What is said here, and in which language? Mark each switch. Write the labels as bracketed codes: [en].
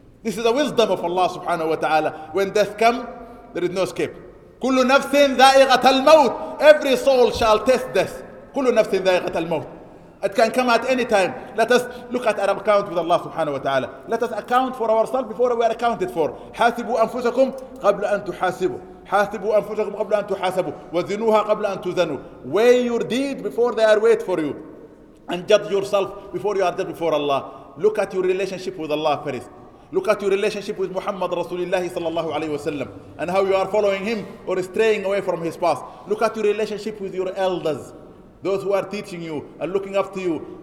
[en] This is the wisdom of Allah subhanahu wa ta'ala. When death comes, there is no escape. [ar] كُلُّ نَفْسٍ ذَائِغَةَ الْمَوْتِ. [en] Every soul shall taste death. [ar] كُلُّ نَفْسٍ ذَائِغَةَ الْمَوْتِ. [en] It can come at any time. Let us look at our account with Allah subhanahu wa ta'ala. Let us account for ourselves before we are accounted for. [ar] حَاسِبُوا أَنفُسَكُمْ قَبْلَ أَن تُحَاسِبُوا. حاسبوا أنفسكم قبل أن تحاسبوا وزنوها قبل أن تزنوا. [en] Weigh your deed before they are wait for you, and judge yourself before you are judged before Allah. Look at your relationship with Allah first. Look at your relationship with Muhammad Rasulullah sallallahu alayhi wa sallam, and how you are following him or straying away from his path. Look at your relationship with your elders, those who are teaching you and looking up to you.